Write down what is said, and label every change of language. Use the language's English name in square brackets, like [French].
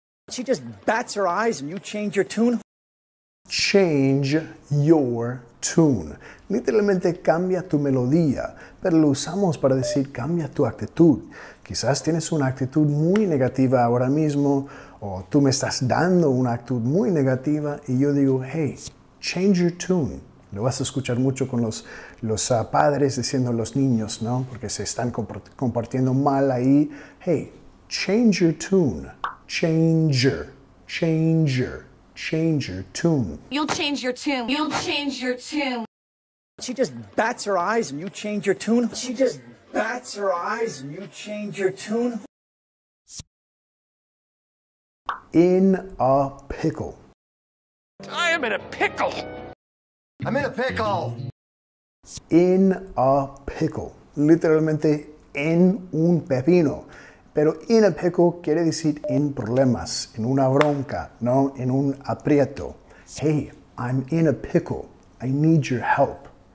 [English] She just bats her eyes and you change your tune? Change your tune. [Spanish] Literalmente cambia tu melodía, pero lo usamos para decir cambia tu actitud. Quizás tienes una actitud muy negativa ahora mismo, o tú me estás dando una actitud muy negativa y yo digo, [English] hey, change your tune. [Spanish] Lo vas a escuchar mucho con los padres diciendo los niños, ¿no? Porque se están compartiendo mal ahí. [English] Hey, change your tune. Changer. Changer. Change your tune. You'll change your tune. You'll change your tune. She just bats her eyes and you change your tune. She just bats her eyes and you change your tune. In a pickle. I am in a pickle. I'm in a pickle. In a pickle. [Spanish] Literalmente, en un pepino. Pero [English] in a pickle [Spanish] quiere decir en problemas, en una bronca, ¿no? En un aprieto. [English] Hey, I'm in a pickle. I need your help.